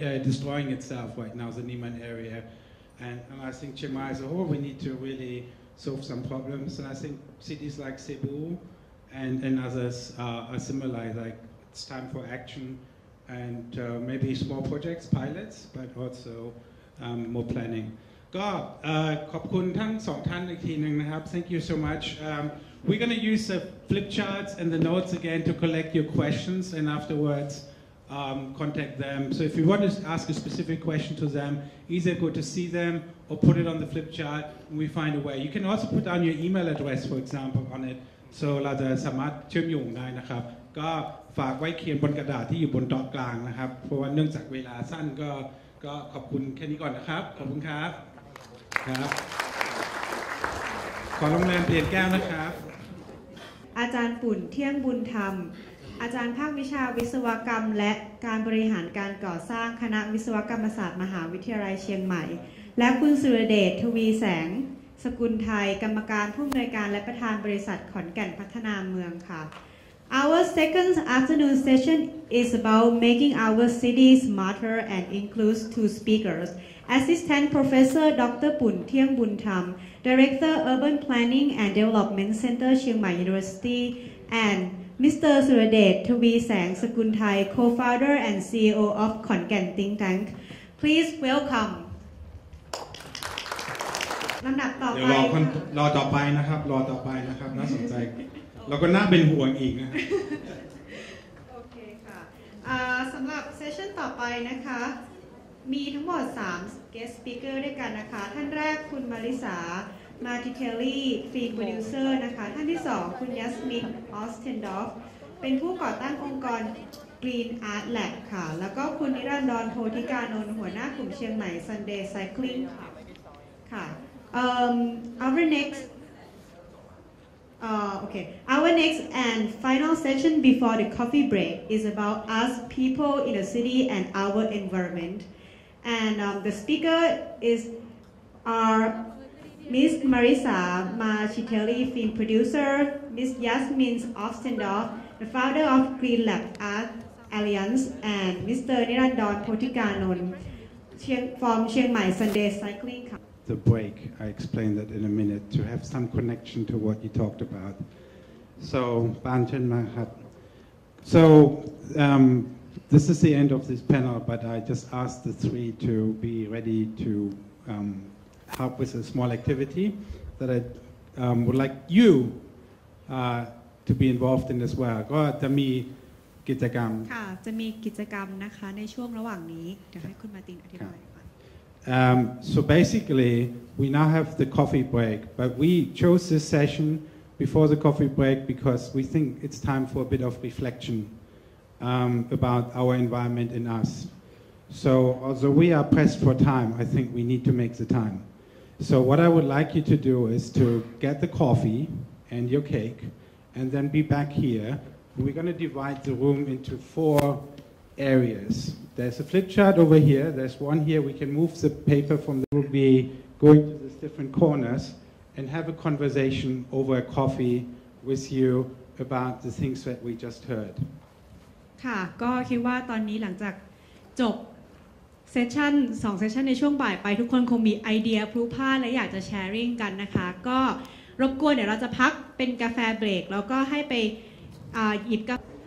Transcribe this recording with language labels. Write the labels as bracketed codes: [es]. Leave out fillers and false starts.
[en] destroying itself right now the Niman area and I think Chiang Mai as a whole we need to reallySolve some problems, and I think cities like Cebu and others are similar, like it's time for action, and maybe small projects, pilots, but also more planning. [th] God, ขอบคุณทั้งสองท่านอีกทีนึงนะครับ [en] thank you so much. We're going to use the flip charts and the notes again to collect your questions, and afterwards contact them. So if you want to ask a specific question to them, either go to see them, or put it on the flip chart, and we find a way. You can also put down your email address, for example, on it. [th] So เราจะสามารถเชื่อมโยงได้นะครับก็ฝากไว้เขียนบนกระดาษที่อยู่บนโต๊ะกลางนะครับเพราะว่าเนื่องจากเวลาสั้นก็ขอบคุณแค่นี้ก่อนนะครับขอบคุณครับครับขอโรงแรมเปลี่ยนแก้วนะครับ อาจารย์ปุ่นเที่ยงบุญธรรมอาจารย์ภาควิชาวิศวกรรมและการบริหารการก่อสร้างคณะวิศวกรรมศาสตร์มหาวิทยาลัยเชียงใหม่และคุณสุรเดชทวีแสงสกุลไทยกรรมการผู้อำนวยการและประธานบริษัทขอนแก่นพัฒนาเมืองค่ะ [en] Our second afternoon session is about making our city smarter and includes two speakers Assistant Professor Dr. Pun Thiang Bun Tham Director Urban Planning and Development Center Chiang Mai University andMr. Suradet Tobi Sang Sakunthai, co-founder and CEO of Khon Kaen Think Tank. Please welcome. [th] ลำดับต่อไป เดี๋ยวรอต่อไปนะครับรอต่อไปนะครับน่าสนใจเราก็น่าเป็นห่วงอีกนะ โอเคค่ะสำหรับเซสชั่นต่อไปนะคะมีทั้งหมด3 guest speaker ด้วยกันนะคะท่านแรกคุณมาริสา มาติเทลลี่ฟิล์มโปรดิวเซอร์นะคะท่านที่สองคุณยัสมินออสเทนดอฟเป็นผู้ก่อตั้งองค์กร Green Art Lab ค่ะแล้วก็คุณนิรันดรโพธิกานนท์หัวหน้ากลุ่มเชียงใหม่ Sunday Cycling ค่ะค่ะ [en] Our next and final session before the coffee break is about us people in the city and our environment and the speaker is our Miss Marisa Machitelli, film producer, Miss Yasmin Ostendorf, the founder of Green Lab Art Alliance, and Mr. Nirandon Potikanon from Chiang Mai Sunday Cycling Club. The break, I explain that in a minute, to have some connection to what you talked about. So, Ban Chen Mahat. So, this is the end of this panel, but I just asked the three to be ready to help with a small activity that I would like you to be involved in as well. Go ahead, Tami. กิจกรรม [th] ค่ะจะมีกิจกรรมนะคะในช่วงระหว่างนี้เดี๋ยวให้คุณมาตินอธิบายค่ะ [en] so basically we now have the coffee break but we chose this session before the coffee break because we think it's time for a bit of reflection about our environment and us so although we are pressed for time I think we need to make the time so what I would like you to do is to get the coffee and your cake and then be back hereWe're going to divide the room into four areas. There's a flip chart over here. There's one here. We can move the paper from there. We'll be going to these different corners and have a conversation over a coffee with you about the things that we just heard. [th] ค่ะก็คิดว่าตอนนี้หลังจากจบเซสชั่น2เซสชั่นในช่วงบ่ายไปทุกคนคงมีไอเดียพลุพล่านและอยากจะแชร์ริ่งกันนะคะก็รบกวนเดี๋ยวเราจะพักเป็นกาแฟเบรกแล้วก็ให้ไปหยิบกับ